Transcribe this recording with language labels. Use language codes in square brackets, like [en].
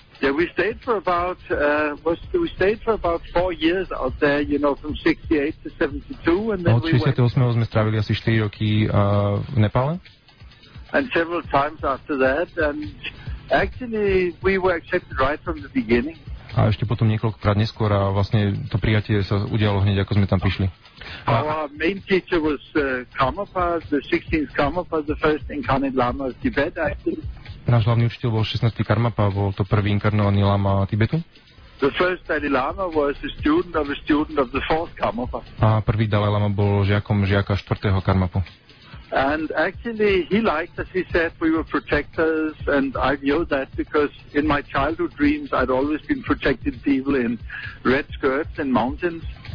[en] Yeah, we stayed for about 4 years out there. You know, from 68 to 72, and then we went. [sk] Od 68. Sme strávili asi 4 roky v Nepále. [en] And several times after that, and. Actually, we were accepted right from the beginning. [sk] A ešte potom niekoľkokrát neskôr a vlastne to prijatie sa udialo hneď, ako sme tam prišli. [en] Our main teacher was Karmapa, the 16th Karmapa, the first incarnate lama of Tibet, actually. [sk] Náš hlavný učiteľ bol 16. Karmapa, bol to prvý inkarnovaný lama Tibetu. [en] The first Dalai Lama was a student of the 4th Karmapa. [sk] A prvý Dalai Lama bol žiakom žiaka 4. Karmapu. [en] And actually, he liked, as he said, we were protectors, and I knew that because in my childhood dreams, I'd always been protecting people in red skirts and mountains.